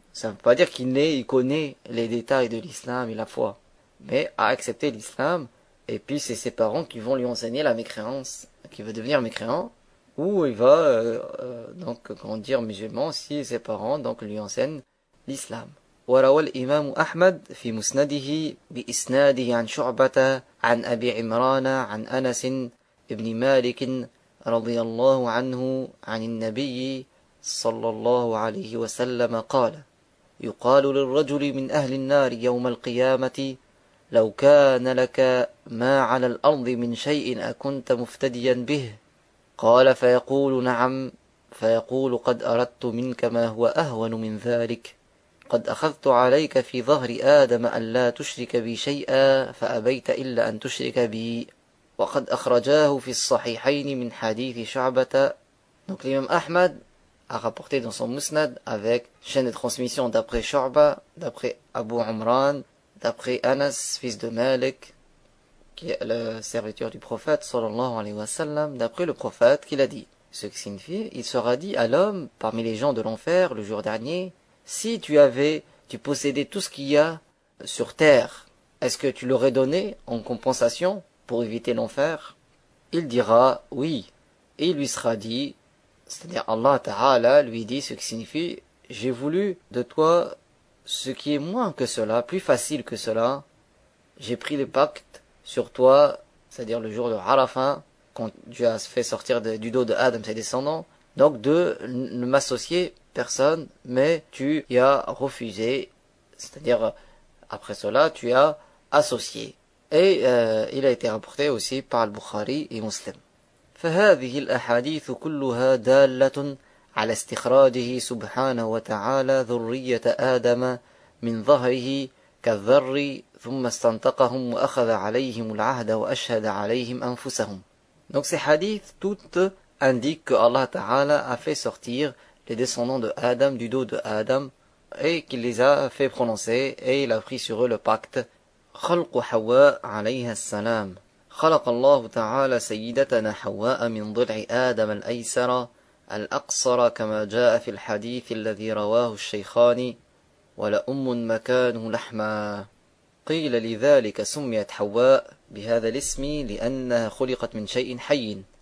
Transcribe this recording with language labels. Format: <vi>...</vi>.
<fr>Ça ne veut pas dire qu'il naît, il connaît les détails de l'islam et la foi, mais à accepter l'islam, et puis c'est ses parents qui vont lui enseigner la mécréance, qui veut devenir mécréant, ou il va donc grandir musulman si ses parents donc lui enseignent l'islam.</fr> <ar>وروى الإمام أحمد في مسنده بإسناده عن شعبة عن أبي عمران عن أنس بن مالك رضي الله عنه عن النبي صلى الله عليه وسلم قال يقال للرجل من أهل النار يوم القيامة لو كان لك ما على الأرض من شيء أكنت مفتديا به قال فيقول نعم فيقول قد أردت منك ما هو أهون من ذلك قد أخذت عليك في ظهر آدم أن لا تشرك بي شيئا فأبيت إلا أن تشرك بي وقد أخرجاه في الصحيحين من حديث شعبة.</ar> <fr>Donc l'imam Ahmad a rapporté dans son musnad avec chaîne de transmission d'après Shu'ba, d'après Abu Umran, d'après Anas, fils de Malik, qui est le serviteur du prophète, sallallahu alayhi wa sallam, d'après le prophète qu'il a dit. Ce qui signifie, il sera dit à l'homme parmi les gens de l'enfer le jour dernier, si tu possédais tout ce qu'il y a sur terre, est-ce que tu l'aurais donné en compensation pour éviter l'enfer? Il dira oui. Et il lui sera dit, c'est-à-dire Allah Ta'ala lui dit ce qui signifie, j'ai voulu de toi ce qui est moins que cela, plus facile que cela. J'ai pris le pacte sur toi, c'est-à-dire le jour de Arafah, quand Dieu a fait sortir du dos de Adam ses descendants, donc de ne m'associer personne, mais tu y as refusé, c'est-à-dire après cela tu as associé. Et il a été rapporté aussi par Al-Bukhari et Muslim.</fr> <ar>فهذه الأحاديث كلها دالة على استخراجه سبحانه وتعالى ذرية آدم من ظهره كالذر ثم استنطقهم وأخذ عليهم العهد وأشهد عليهم أنفسهم.</ar> <fr>Donc ces hadiths toutes indiquent que Allah Ta'ala a fait sortir les descendants de Adam, du dos de Adam, et qu'il les a fait prononcer, et il a pris sur eux le pacte.</fr> <ar>خلق حواء عليها السلام. خلق الله تعالى سيدتنا حواء من ضلع آدم الأيسر الأقصر كما جاء في الحديث الذي رواه الشيخان ولأم مكانه لحما. قيل لذلك سميت حواء بهذا الاسم لأنها خلقت من شيء حي.</ar>